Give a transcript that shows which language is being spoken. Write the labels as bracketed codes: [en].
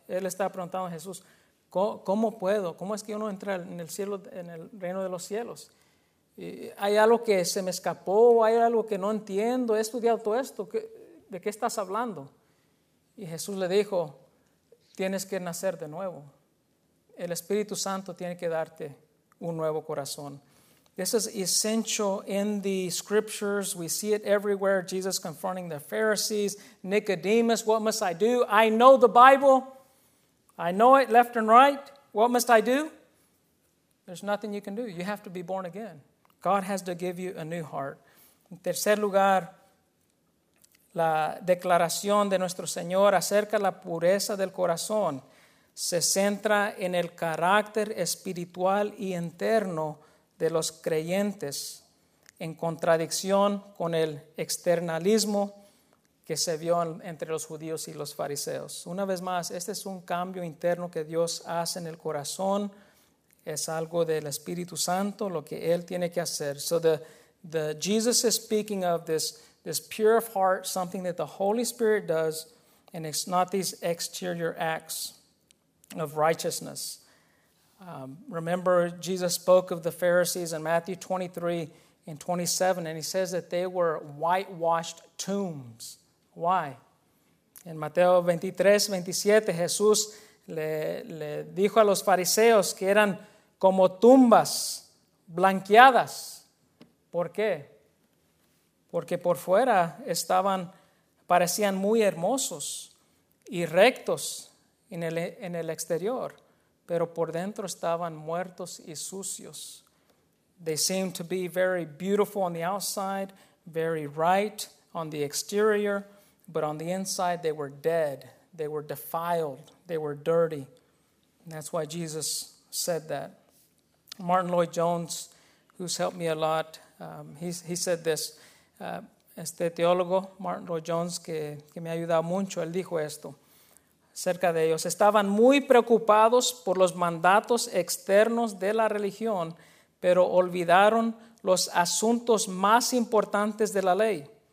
[es] Él estaba preguntando a Jesús, ¿cómo puedo? ¿Cómo es que uno entra en el cielo, en el reino de los cielos? ¿Hay algo que se me escapó? ¿Hay algo que no entiendo? ¿He estudiado todo esto? ¿De qué estás hablando? Y Jesús le dijo, tienes que nacer de nuevo. El Espíritu Santo tiene que darte un nuevo corazón. [en] This is essential in the scriptures. We see it everywhere. Jesus confronting the Pharisees. Nicodemus, what must I do? I know the Bible. I know it left and right. What must I do? There's nothing you can do. You have to be born again. God has to give you a new heart. [es] En tercer lugar, la declaración de nuestro Señor acerca de la pureza del corazón se centra en el carácter espiritual y interno de los creyentes, en contradicción con el externalismo que se vio entre los judíos y los fariseos. Una vez más, este es un cambio interno que Dios hace en el corazón. Es algo del Espíritu Santo, lo que Él tiene que hacer. [en] So the Jesus is speaking of this pure of heart, something that the Holy Spirit does, and it's not these exterior acts of righteousness. Remember, Jesus spoke of the Pharisees in Matthew 23 and 27, and he says that they were whitewashed tombs. Why? [es] En Mateo 23, 27, Jesús le dijo a los fariseos que eran como tumbas blanqueadas. ¿Por qué? Porque por fuera estaban, parecían muy hermosos y rectos en el exterior, pero por dentro estaban muertos y sucios. [en] They seemed to be very beautiful on the outside, very right on the exterior, but on the inside they were dead, they were defiled, they were dirty. And that's why Jesus said that. Martin Lloyd-Jones, who's helped me a lot, he said this. [es] Este teólogo, Martin Lloyd-Jones, que me ha ayudado mucho, él dijo esto acerca de ellos. Estaban muy preocupados por los mandatos externos de la religión, pero olvidaron los asuntos más importantes de la ley.